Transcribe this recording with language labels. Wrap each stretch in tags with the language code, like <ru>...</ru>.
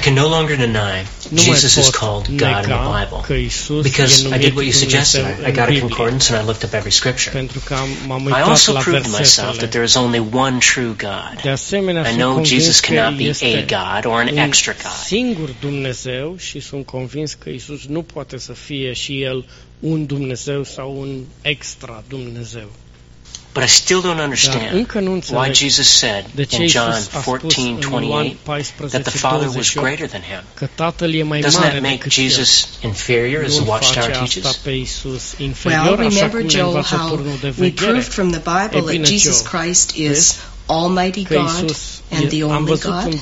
<en>can no longer deny Jesus is called God in the Bible because I did what you suggested. I got a concordance and I looked up every scripture. I also proved to myself that there is only one true God. I know Jesus cannot be a God or an extra God.</en> <ro>Singur Dumnezeu și sunt convins că Iisus nu poate să fie și el un Dumnezeu sau un extra Dumnezeu.</ro> <en>But I still don't understand why Jesus said in John 14:28 that the Father was greater than him. Doesn't that make Jesus inferior, as the Watchtower teaches? Well, remember, Joel, how we proved from the Bible that Jesus Christ is Almighty God and the only God?</en>